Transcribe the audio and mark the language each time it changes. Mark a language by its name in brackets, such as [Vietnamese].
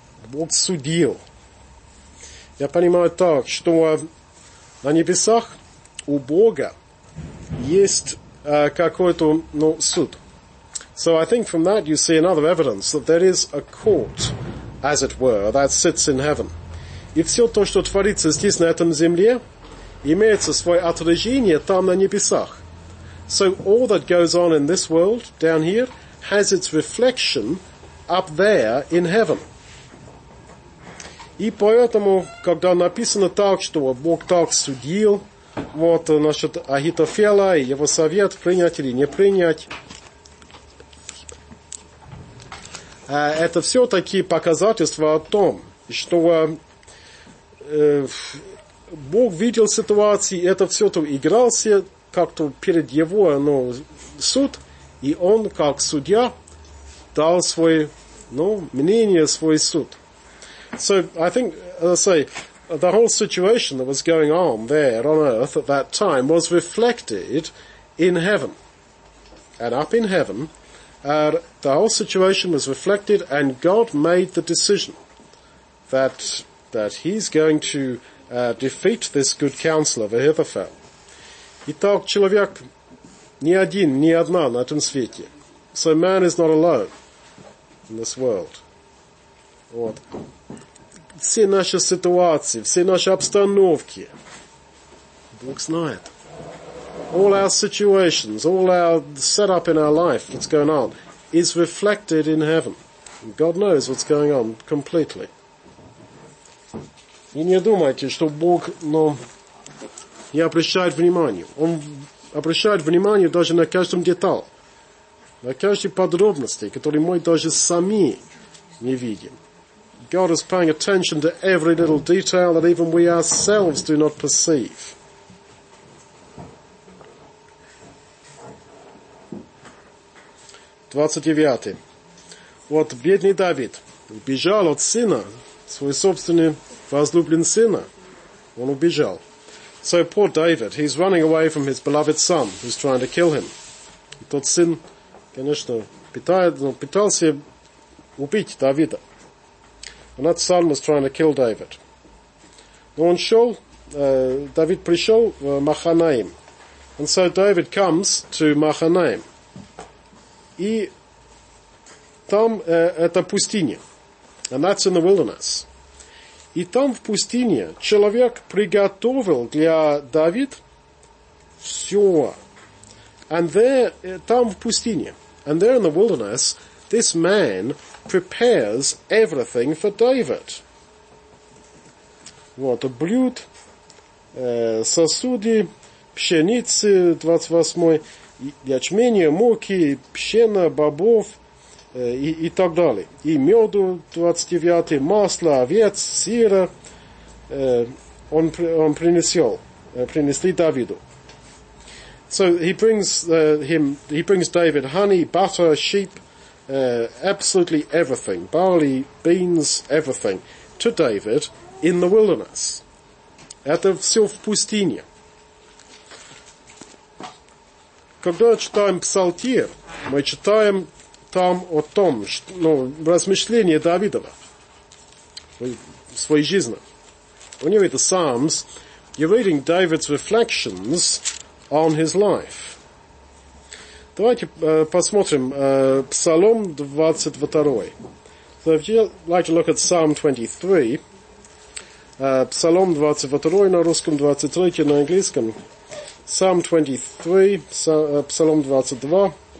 [Russian] Бог судил. Я понимаю так, что на небесах у Бога есть какой-то, ну, суд. [English] So I think from that you see another evidence that there is a court, as it were, that sits in heaven. [Russian] И все то, что творится здесь, на этом земле, имеется свое отражение там, на небесах. [English] So all that goes on in this world, down here, has its reflection up there in heaven. [Russian] И поэтому, когда написано так, что Бог так судил, вот, значит, Ахитофеля и его совет, принять или не принять, это все-таки показательство о том, что Бог видел ситуацию, это все-то игрался как-то перед его суд, и он как судья дал свое мнение, свой суд. [English] So I think, let's say, the whole situation that was going on there on earth at that time was reflected in heaven. And up in heaven, the whole situation was reflected, and God made the decision that he's going to defeat this good counsel of Ahithophel. [Russian] Итак, человек не один, не одна на этом свете. [English] So man is not alone in this world. [Russian] Вот. Все наши ситуации, все наши обстановки, Бог знает. [English] All our situations, all our setup in our life, what's going on, is reflected in heaven. God knows what's going on completely. [Russian] И не думайте, что Бог, не обращает внимания. Он обращает внимание даже на каждом детале, на каждой подробности, которые мы даже сами не видим. [English] God is paying attention to every little detail that even we ourselves do not perceive. [Russian] Двадцать девятый. Вот бедный Давид убежал от сына, свой собственный возлюбленный сына. Он убежал. [English] So poor David, he's running away from his beloved son, who's trying to kill him. [Russian] И тот сын, конечно, пытался убить Давида. [English] And that son was trying to kill David. [Russian] Но он шел, Давид пришел в Маханаим. [English] And so David comes to Маханаим. [Russian] И там это пустыня. [English] And that's in the wilderness. [Russian] И там в пустыне человек приготовил для Давид все. [English] And there, [Russian] там в пустыне, [English] and there in the wilderness, this man prepares everything for David. [Russian] Вот, блюд, сосуды, пшеницы, 28-й, ячменя, муки, пшена, бобов, и так далее. И меду, 29-й, масло, овец, сыра, он принесли Давиду. [English] So he brings David honey, butter, sheep, absolutely everything, barley, beans, everything, to David in the wilderness. [Russian] Это все в пустыне. Когда читаем Псалтир, мы читаем там о том, что, размышления Давидова в своей жизни. [English] When you read the Psalms, you're reading David's reflections on his life. [Russian] Давайте посмотрим Псалом 22. [English] So if you like to look at Psalm 23, [Russian] Псалом 22 на русском, 23 на английском, [English] Psalm 23, [Russian] Псалом 22.